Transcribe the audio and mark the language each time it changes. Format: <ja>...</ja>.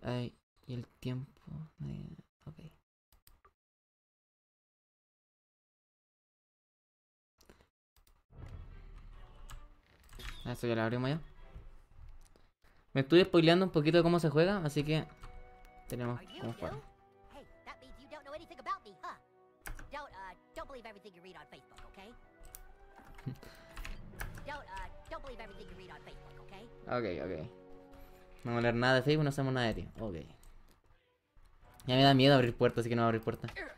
<es>Ay, y el tiempo... Ay, ok. Eso ya lo abrimos ya. Me estoy spoileando un poquito de cómo se juega, así que tenemos cómo jugar.</es> <en>Hey, that means you don't know anything about me, huh? Don't believe everything you read on Facebook, okay? Don't believe everything you read on Facebook, okay?</en> <es>Okay, okay. No voy a leer nada de Facebook, no hacemos nada de ti. Okay. Ya me da miedo abrir puertas, así que no voy a abrir puertas.</es>